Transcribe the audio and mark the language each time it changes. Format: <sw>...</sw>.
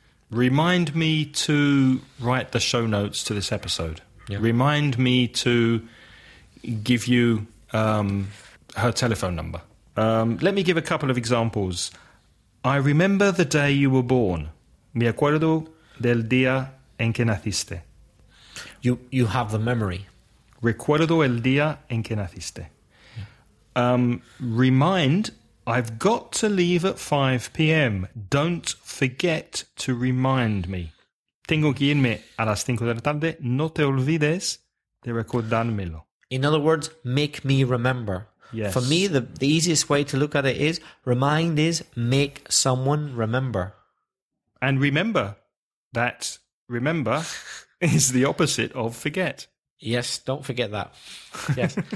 <en>Remind me to write the show notes to this episode. Yeah. Remind me to give you her telephone number. Let me give a couple of examples. I remember the day you were born.</en> <es>Me acuerdo del día en que naciste.</es> <en>You have the memory.</en> <es>Recuerdo el día en que naciste.</es> <en>Yeah. Remind, I've got to leave at 5 p.m. Don't forget to remind me.</en> <es>Tengo que irme a las 5 de la tarde. No te olvides de recordármelo.</es> <en>In other words, make me remember. Yes. For me, the easiest way to look at it is, remind is make someone remember. And remember, that remember is the opposite of forget. Yes, don't forget that. Yes.</en>